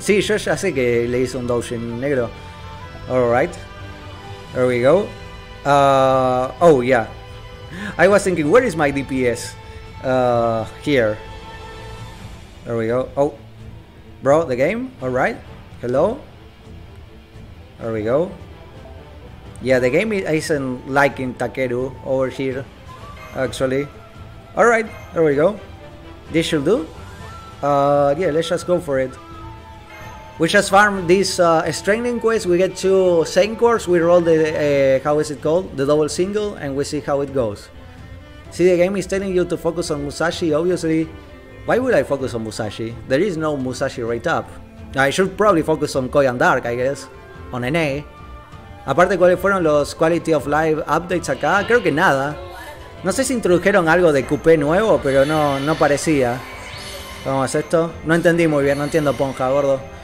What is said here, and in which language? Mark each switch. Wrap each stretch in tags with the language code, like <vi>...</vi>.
<es>Sí, yo ya sé que le hizo un doujin negro.</es> <en>Alright. There we go. Oh yeah. I was thinking, where is my DPS? Here. There we go. Oh, bro, the game. All right. Hello. There we go. Yeah, the game isn't liking Takeru over here, actually. All right. There we go. This should do. Yeah, let's just go for it. We just farm this strengthening quest. We get to Saint Quartz. We roll the how is it called? The double single, and we see how it goes. See, the game is telling you to focus on Musashi, obviously. Why would I focus on Musashi? There is no Musashi rate up. I should probably focus on Koi and Dark, I guess. On NA.</en> <es>Aparte, ¿cuáles fueron los</es> <en>quality of life updates</en> <es>acá? Creo que nada. No sé si introdujeron algo de coupé nuevo, pero no parecía. ¿Cómo es esto? No entendí muy bien, no entiendo ponja, gordo.</es>